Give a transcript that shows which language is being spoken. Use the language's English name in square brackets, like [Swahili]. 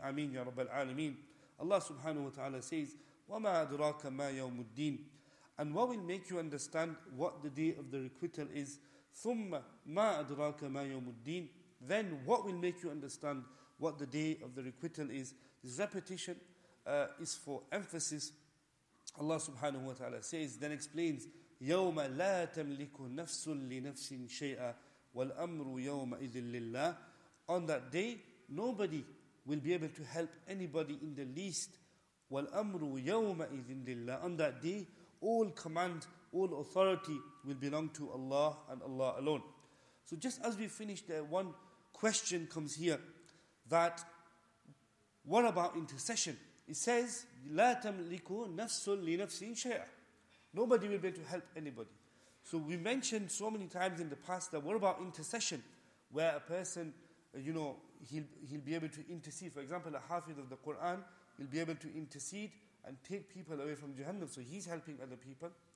[English] Ameen ya rabbal alameen. Allah subhanahu wa ta'ala says, [Arabic] وَمَا أَدْرَاكَ مَا يَوْمُ الدِّينِ. [English] And what will make you understand what the day of the requital is? [Arabic] ثُمَّ مَا أَدْرَاكَ مَا يَوْمُ الدِّينِ. [English] Then what will make you understand what the day of the requital is? This repetition is for emphasis. Allah subhanahu wa ta'ala says, then explains, [Arabic] يَوْمَ لَا تَمْلِكُ نَفْسٌ لِنَفْسٍ شَيْئًا وَالْأَمْرُ يَوْمَ إِذٍ لِلَّهِ. [English] On that day, nobody will be able to help anybody in the least. [Arabic] وَالْأَمْرُ يَوْمَ إِذٍ لِلَّهِ. [English] On that day, all command, all authority will belong to Allah and Allah alone. So just as we finish there, one question comes here, that what about intercession? It says, [Arabic] لَا تَمْلِكُ نَفْسٌ لِنَفْسٍ شَيْئًا. [English] Nobody will be able to help anybody. So we mentioned so many times in the past that what about intercession? Where a person, you know, he'll be able to intercede. For example, a hafiz of the Quran will be able to intercede and take people away from Jahannam. So he's helping other people.